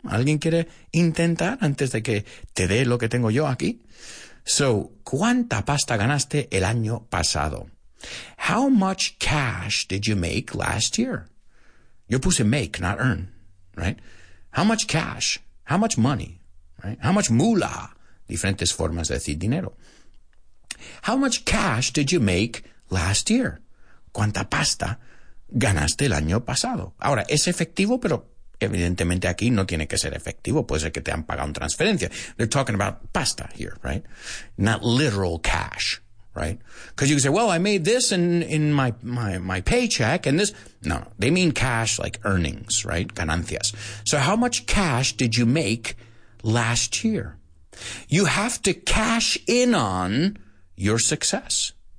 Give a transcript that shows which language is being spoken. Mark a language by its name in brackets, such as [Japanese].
[Spanish] ¿Alguien quiere intentar antes de que te dé lo que tengo yo aquí? So, ¿cuánta pasta ganaste el año pasado? [English] How much cash did you make last year? [Spanish] Yo puse [English] make, not earn, right? How much cash? How much money? Right? How much moolah? [Spanish] Diferentes formas de decir dinero. [English] How much cash did you make last year? [Spanish] ¿Cuánta pasta ganaste el año pasado? Ahora, es efectivo, pero evidentemente aquí no tiene que ser efectivo. Puede ser que te han pagado una transferencia. [English] They're talking about pasta here, right? Not literal cash, right? Because you can say, well, I made this in my paycheck and this. No, they mean cash like earnings, right? Ganancias. So how much cash did you make last year? You have to cash in on your success.